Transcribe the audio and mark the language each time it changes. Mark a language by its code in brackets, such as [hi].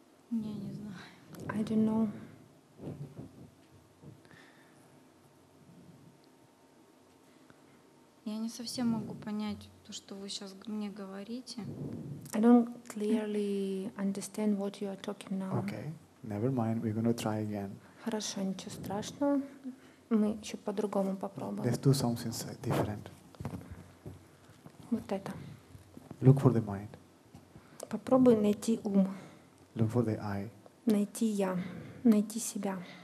[ru] Не знаю. [en] I don't know. [ru] Я не совсем могу понять то, что вы сейчас мне говорите. [en] I don't clearly understand what you are talking now. Okay, never mind. We're gonna try again. [ru] Хорошо, ничего страшного. Мы еще по-другому попробуем. [en] Let's do something different. [ru] Вот это. [en] Look for the mind. [ru] Попробуй найти ум. [en] Look for the I. [ru] Найти я. Найти себя.